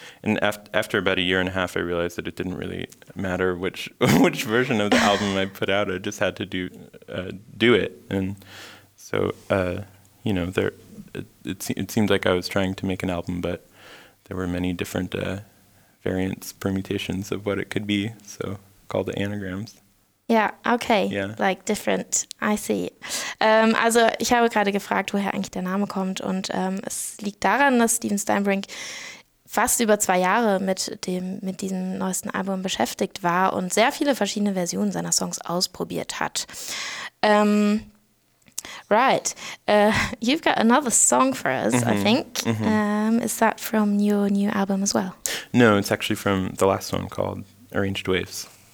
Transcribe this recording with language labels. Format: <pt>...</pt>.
<en>And after about a year and a half, I realized that it didn't really matter which version of the album I put out. I just had to do it. And so, It seemed like I was trying to make an album, but there were many different variants, permutations of what it could be. So called the anagrams. Yeah. Okay. Yeah. Like different. I see.</en> <de>Also ich habe gerade gefragt, woher eigentlich der Name kommt, und es liegt daran, dass Steven Steinbrink fast über 2 Jahre mit diesem neuesten Album beschäftigt war und sehr viele verschiedene Versionen seiner Songs ausprobiert hat.</de> <en>Right. You've got another song for us, mm-hmm. I think. Mm-hmm. Is that from your new album as well? No, it's actually from the last one called Arranged Waves.</en>